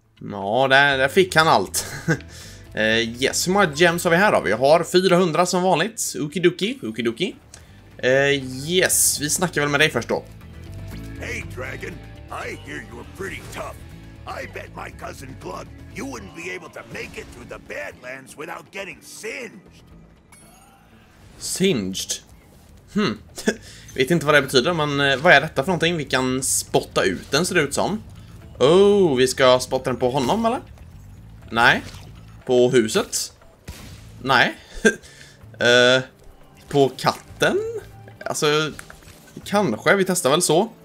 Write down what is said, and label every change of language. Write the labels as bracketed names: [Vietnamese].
[Swedish] Ja, där fick han allt. Yes, hur många gems har vi här då? Vi har 400 som vanligt. Okidoki. Yes, vi snackar väl med dig först då. [English] Hey Dragon, I hear you're pretty tough. I bet my cousin Glug, you wouldn't be able to make it through the Badlands without getting singed. Singed? [Swedish] Vet inte vad det betyder, men vad är detta för någonting? Vi kan spotta ut den, ser det ut som. Oh, vi ska spotta den på honom, eller? Nej. På huset? Nej. på katten? Alltså, kanske. Vi testar väl så.